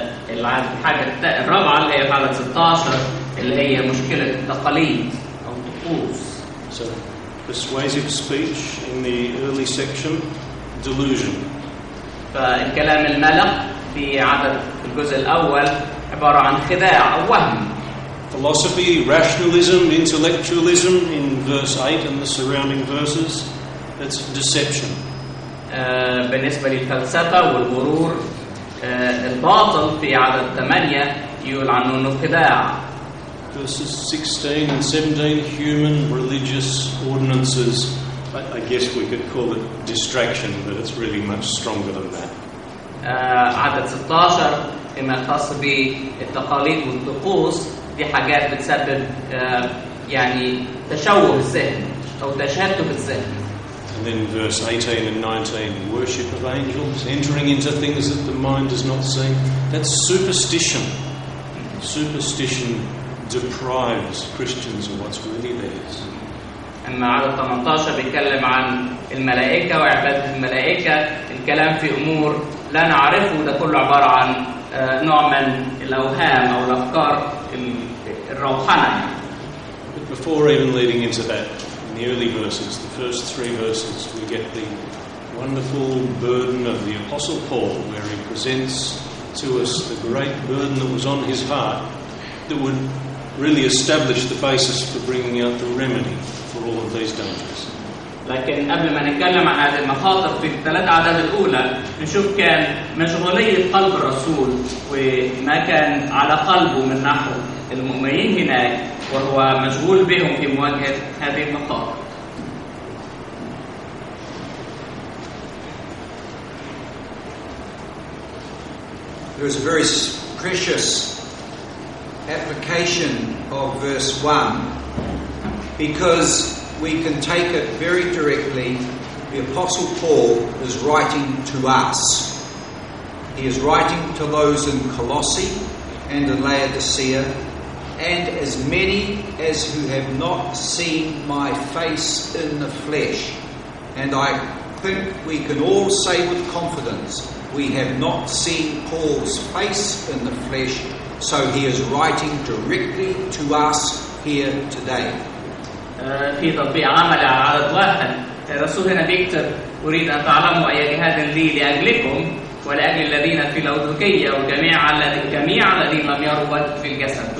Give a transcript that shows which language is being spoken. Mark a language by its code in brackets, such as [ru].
[ar] الحاجة الرابعة اللي هي حالة 16 اللي هي مشكلة التقاليد أو الطقوس. [en] So, persuasive speech in the early section, delusion. [ar] فالكلام الملق في عدد الجزء الأول عبارة عن خداع أو وهم. [en] Philosophy, rationalism, intellectualism in verse 8 and the surrounding verses, that's deception. [ar] بالنسبة للفلسفة والغرور الباطل في عدد 8 يقول عنه أنه خداع. [en] Verses 16 and 17, human religious ordinances. I guess we could call it distraction, but it's really much stronger than that. [ar] عدد 16 فيما يخص بالتقاليد والطقوس دي حاجات بتسبب يعني تشوه الذهن أو تشتت الذهن. [en] And then verse 18 and 19, worship of angels, entering into things that the mind does not see. That's superstition. Superstition deprives Christians of what's really theirs. [ar] أما عدد 18 بيتكلم عن الملائكة وعبادة الملائكة، الكلام في أمور لا نعرفه، ده كله عبارة عن نوع من الأوهام أو الأفكار الروحانة. [en] But before even leading into that, in the early verses, the first three verses, we get the wonderful burden of the Apostle Paul, where he presents to us the great burden that was on his heart that would really establish the basis for bringing out the remedy for all of these dangers. [ar] لكن قبل ما نتكلم عن هذه المخاطر في الثلاث أعداد الأولى نشوف كان مشغولية قلب الرسول وما كان على قلبه من نحو المؤمنين هناك وهو مشغول بهم في مواجهة هذه المخاطر. [en] There is a very precious application of verse 1 because we can take it very directly. The Apostle Paul is writing to us. He is writing to those in Colossae and in Laodicea, and as many as who have not seen my face in the flesh. And I think we can all say with confidence, we have not seen Paul's face in the flesh, so he is writing directly to us here today. [ar] في تطبيق عملي على عدد واحد الرسول هنا بيكتب أريد أن تعلموا أي جهاد لي لأجلكم ولأجل الذين في لودوكية وجميع الذين لم يروا في الجسد.